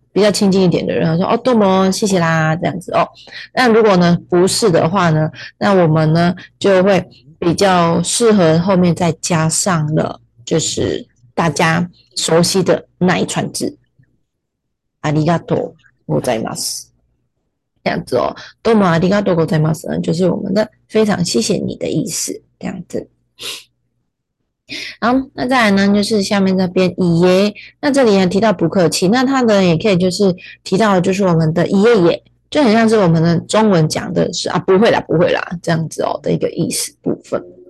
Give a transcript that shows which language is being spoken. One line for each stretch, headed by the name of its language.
Chinese: 比较亲近一点的人说："哦，domo，谢谢啦，这样子哦。" 那如果呢不是的话呢，那我们呢就会比较适合后面再加上了，就是大家熟悉的那一串字，
Japanese: ありがとうございます。
Chinese: 这样子哦，
Japanese: domo ありがとうございます。
Chinese: 嗯，就是我们的非常谢谢你的意思，这样子。好，那再来呢，就是下面这边爷爷，那这里也提到不客气，那他呢也可以就是提到就是我们的爷爷，就很像是我们的中文讲的是啊，不会啦，不会啦，这样子哦的一个意思部分。